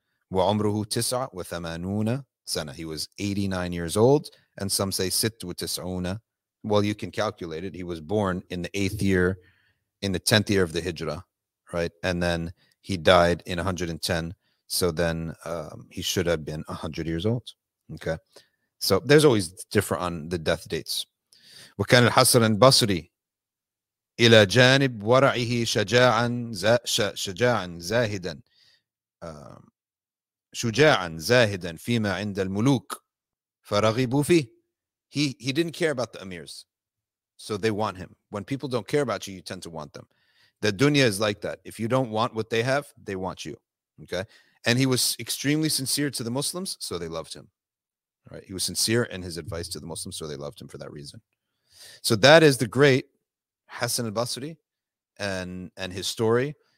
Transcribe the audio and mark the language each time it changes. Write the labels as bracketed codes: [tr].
[ar] Wa umruhu tis'a wa thamanuna sana. [en] He was 89 years old, and some say [ar] sit wa tis'una. [en] Well, you can calculate it. He was born in the 8th year, in the 10th year of the Hijrah, right? And then he died in 110. So then he should have been 100 years old. Okay. So there's always different on the death dates. [ar] وكان الحسن البصري إلى جانب ورعه شجاعا شجاعا زاهدا شجاعا زاهدا فيما عند الملوك فرغبوا فيه. [en] He didn't care about the emirs. So they want him. When people don't care about you, you tend to want them. The dunya is like that. If you don't want what they have, they want you. Okay. And he was extremely sincere to the Muslims, so they loved him. Right? He was sincere in his advice to the Muslims, so they loved him for that reason. So that is the great Hassan al-Basri and his story.